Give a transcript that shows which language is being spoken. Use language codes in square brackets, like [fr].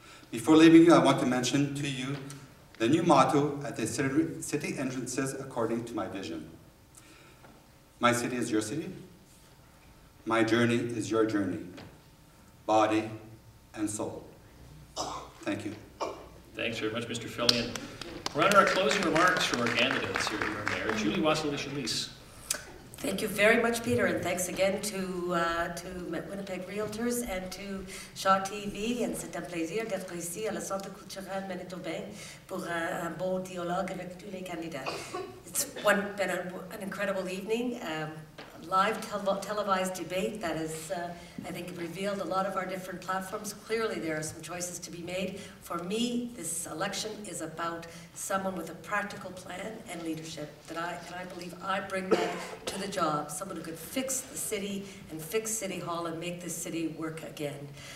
[en] Before leaving you, I want to mention to you the new motto at the city entrances according to my vision. My city is your city. My journey is your journey, body and soul. Thank you. Thanks very much, Mr. Fillion. We're on our closing remarks from our candidates here in our mayor, Julie Wasylycia-Leis. Thank you very much, Peter, and thanks again to Winnipeg Realtors and to Shaw TV, and [fr] c'est un plaisir d'être ici à la Centre culturel Manitobain pour un beau dialogue avec tous les candidats. [en] It's been an incredible evening, live televised debate that has, I think, revealed a lot of our different platforms. Clearly, there are some choices to be made. For me, this election is about someone with a practical plan and leadership that I believe I bring that to the job, someone who could fix the city and fix City Hall and make this city work again.